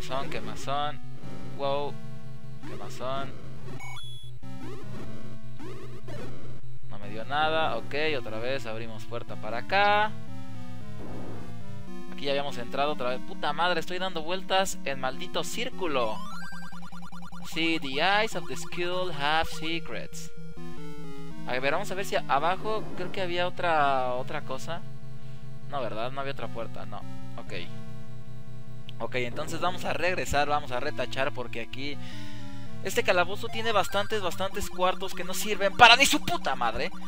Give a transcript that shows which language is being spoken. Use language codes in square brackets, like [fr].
[es] Quemazón. Wow. Quemazón. No me dio nada, ok, otra vez abrimos puerta para acá. Aquí ya habíamos entrado otra vez. Puta madre, estoy dando vueltas en maldito círculo. Sí, [en] the eyes of the school have secrets. [es] A ver, vamos a ver si abajo creo que había otra cosa. No, ¿verdad? No había otra puerta, no. Ok. Ok, entonces vamos a regresar, vamos a retachar porque aquí... Este calabozo tiene bastantes cuartos que no sirven para ni su puta madre.